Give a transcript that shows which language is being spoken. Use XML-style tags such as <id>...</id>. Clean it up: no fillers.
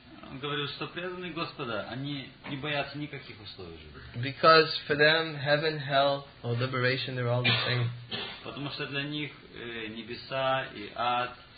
<ru>Он говорил, что преданные Господа, они не боятся никаких условий жизни.</ru> <en>Because for them, heaven, hell, or liberation, they're all the same.</en> <ru>Потому что для них небеса и ад,</ru>